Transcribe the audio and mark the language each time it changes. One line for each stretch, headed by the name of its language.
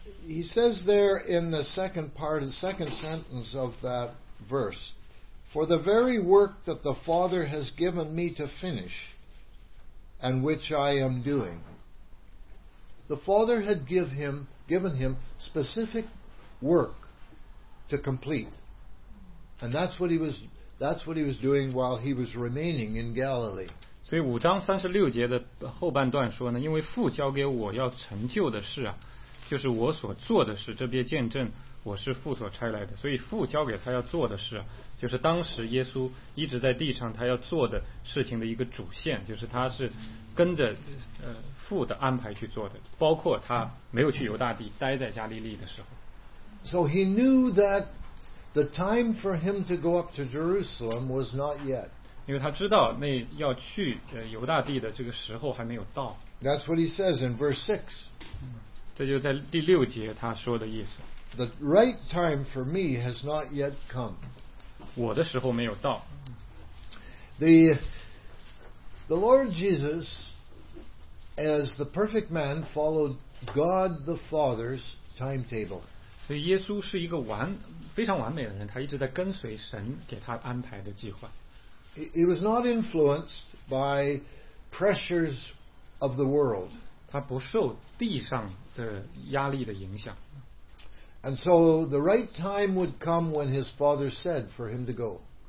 English: he says there in the second part, the second sentence of that verse, for the very work that the Father has given me to finish and which I am doing. The Father had given him specific work to complete. And that's what he was doing while he was remaining in Galilee.
Chinese: 所以五章三十六节的后半段说呢，因为父交给我要成就的事啊，就是我所做的事，这边见证我是父所差来的。所以父交给他要做的事啊，就是当时耶稣一直在地上他要做的事情的一个主线，就是他是跟着父的安排去做的，包括他没有去犹大地，待在加利利的时候。
English: So he knew that the time for him to go up to Jerusalem was not yet.
Chinese: 因为他知道那要去犹大地的这个时候还没有到。
English: That's what he says in verse 6.
Chinese: 这就在第六节他说的意思。
English: The right time for me has not yet come.
Chinese: 我的时候没有到。
English: The Lord Jesus, as the perfect man, followed God the Father's timetable.
Chinese: 所以耶稣是一个非常完美的人，他一直在跟随神给他安排的计划。
English: He was not influenced by pressures of the world.
Chinese: 他不受地上的压力的影响。
English: And so the right time would come when his father said for him to go.